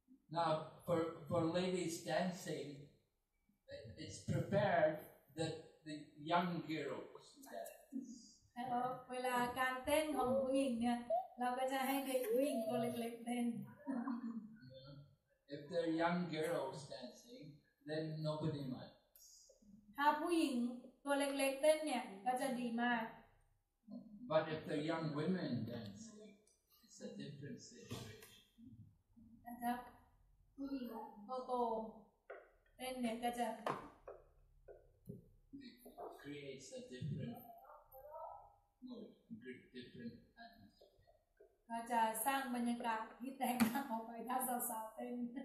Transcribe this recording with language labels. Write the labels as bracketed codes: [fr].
[en] Now, for ladies dancing, it's prepared that the young girls dance. [th] เวลาการเต้นของผู้หญิงเนี่ยเราก็จะให้เด็กผู้หญิงตัวเล็กๆเต้น [en] If they're young girls dancing, then nobody minds. [th] ถ้าผู้หญิงตัวเล็กๆเต้นเนี่ยก็จะดีมาก [en] But if they're young women dancing, it's a different situation. [th] นะครับผู้หญิงโตโตเต้นเนี่ยก็จะ [en] creates a different mood, different atmosphere. [th] ก็จะสร้างบรรยากาศที่แตกต่างออกไปถ้าสาวๆเต้น